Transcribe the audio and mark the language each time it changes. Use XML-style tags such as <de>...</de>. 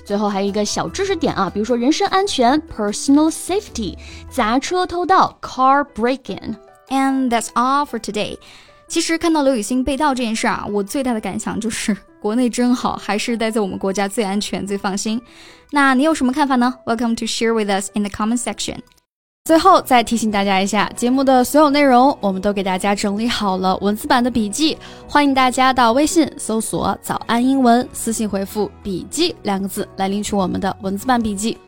<zh>最后还有一个小知识点啊，比如说人身安全 personal safety, 砸车偷盗 car break-in。</zh> <en>And that's all for today.</en> <zh>其实看到刘雨欣被盗这件事啊，我最大的感想就是国内真好，还是待在我们国家最安全最放心。那你有什么看法呢？</zh> <en>Welcome to share with us in the comment section.</en> <zh>最后再提醒大家一下，节目的所有内容我们都给大家整理好了文字版的笔记，欢迎大家到微信搜索早安英文，私信回复笔记两个字来领取我们的文字版笔记。</zh>